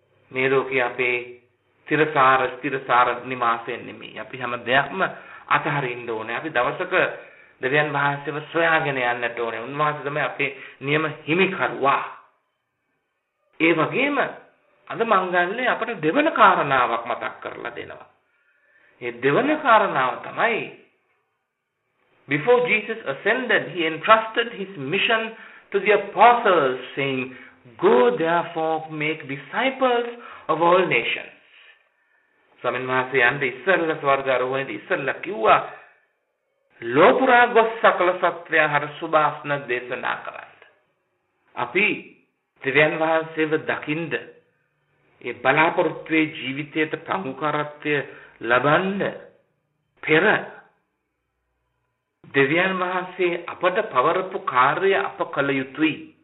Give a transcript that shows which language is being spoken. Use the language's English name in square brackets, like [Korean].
[Sinhala] මේ ලෝකේ අපේ තිරසාර නිවාසයෙන් නෙමෙයි. අපි හැම දෙයක්ම අතහරින්න ඕනේ. අපි දවසක දෙවියන් වහන්සේව සොයාගෙන යන්නට ඕනේ. උන්වහන්සේ තමයි අපේ නියම හිමිකරුවා. ඒ වගේම අද මංගල්‍යයේ අපට දෙවන කාරණාවක් මතක් කරලා දෙනවා. ඒ දෙවන කාරණාව තමයි [English] Before Jesus ascended, he entrusted his mission to the apostles saying, Go therefore make disciples of all nations. [Sinhala] ස්වාමීන් වහන්සේ යන්න ඉස්සෙල්ලා ස්වර්ගාරෝහණයට ඉස්සෙල්ලා කිව්වා ලෝපුරා ගොස් සකල සත්ත්වයන් හට සුභාෂණ දේශනා කරන්න. අපි දෙවියන් වහන්සේව දකින්ද ඒ බලාපොරොත්තුවේ ජීවිතයට ප්‍රමුඛාරත්වය ලබන්න පෙර දෙවියන් වහන්සේ අපට පවරපු කාර්ය අප කළ යුතුයි.